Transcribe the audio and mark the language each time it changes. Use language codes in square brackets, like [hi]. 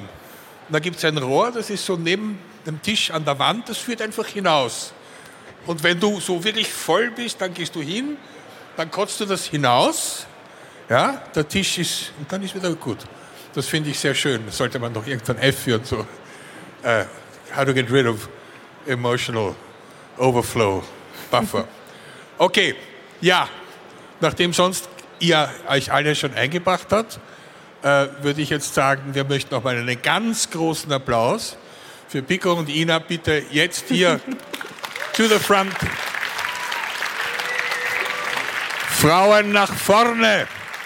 [de] Und da gibt es ein Rohr, das ist so neben dem Tisch an der Wand, das führt einfach hinaus. Und wenn du so wirklich voll bist, dann gehst du hin, dann kotzt du das hinaus, ja, der Tisch ist, und dann ist wieder gut. Das finde ich sehr schön, sollte man doch irgendwann F und so. [en] How to get rid of emotional overflow buffer. [de] Okay, ja, nachdem sonst ihr euch alle schon eingebracht habt, würde ich jetzt sagen, wir möchten nochmal einen ganz großen Applaus für Pico und Ina bitte jetzt hier [en] to the front. [de] Frauen nach vorne!